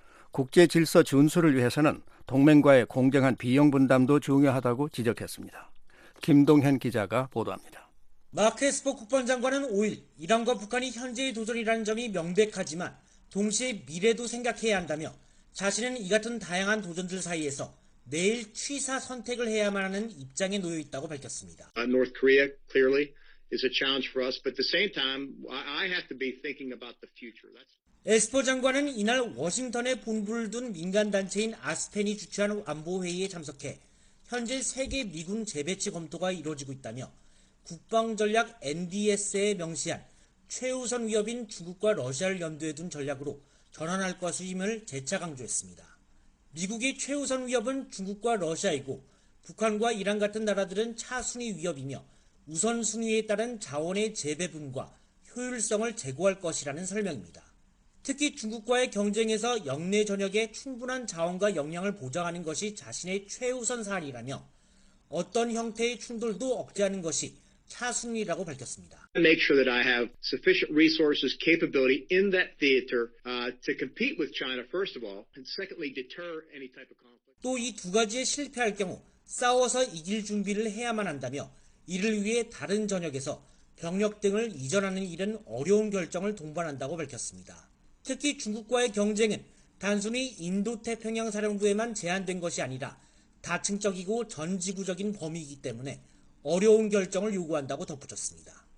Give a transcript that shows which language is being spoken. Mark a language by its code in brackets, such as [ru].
[ko] 국제 질서 준수를 위해서는 동맹과의 공정한 비용 분담도 중요하다고 지적했습니다. 김동현 기자가 보도합니다. 마크 에스퍼 국방장관은 5일 이란과 북한이 현재의 도전이라는 점이 명백하지만 동시에 미래도 생각해야 한다며 자신은 이 같은 다양한 도전들 사이에서 내일 취사 선택을 해야만 하는 입장에 놓여 있다고 밝혔습니다. [en] North Korea clearly is a challenge for us, but at the same time, I have to be thinking about the future. [ko] 에스퍼 장관은 이날 워싱턴에 본부를 둔 민간단체인 아스펜이 주최한 안보회의에 참석해 현재 세계 미군 재배치 검토가 이루어지고 있다며 국방전략 NDS에 명시한 최우선 위협인 중국과 러시아를 염두에 둔 전략으로 전환할 것임을 재차 강조했습니다. 미국의 최우선 위협은 중국과 러시아이고 북한과 이란 같은 나라들은 차순위 위협이며 우선순위에 따른 자원의 재배분과 효율성을 제고할 것이라는 설명입니다. 특히 중국과의 경쟁에서 영내 전역에 충분한 자원과 역량을 보장하는 것이 자신의 최우선 사안이라며 어떤 형태의 충돌도 억제하는 것이 차순위라고 밝혔습니다. [en] Make sure that I have sufficient resources, capability in that theater to compete with China, first of all, and secondly, deter any type of conflict. [ko] 또 이 두 가지에 실패할 경우 싸워서 이길 준비를 해야만 한다며 이를 위해 다른 전역에서 병력 등을 이전하는 일은 어려운 결정을 동반한다고 밝혔습니다. 특히 중국과의 경쟁은 단순히 인도태평양 사령부에만 제한된 것이 아니라 다층적이고 전지구적인 범위이기 때문에 어려운 결정을 요구한다고 덧붙였습니다.